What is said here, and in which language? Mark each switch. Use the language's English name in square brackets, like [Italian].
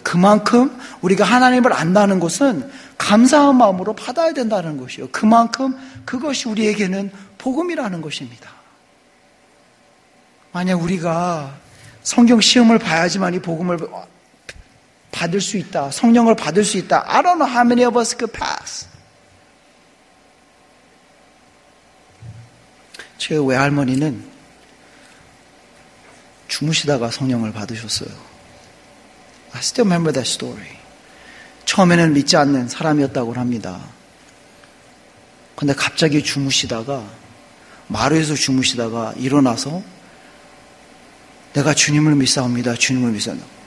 [Korean] 그만큼 우리가 하나님을 안다는 것은 감사한 마음으로 받아야 된다는 것이요. 그만큼 그것이 우리에게는 복음이라는 것입니다. 만약 우리가 성경 시험을 봐야지만 이 복음을 받을 수 있다. 성령을 받을 수 있다. [English] I don't know how many of us could pass. [Korean] 제 외할머니는 주무시다가 성령을 받으셨어요. [English] I still remember that story. [Korean] 처음에는 믿지 않는 사람이었다고 합니다. 근데 갑자기 주무시다가 마루에서 주무시다가 일어나서 내가 주님을 믿사옵니다. 주님을 믿사옵니다.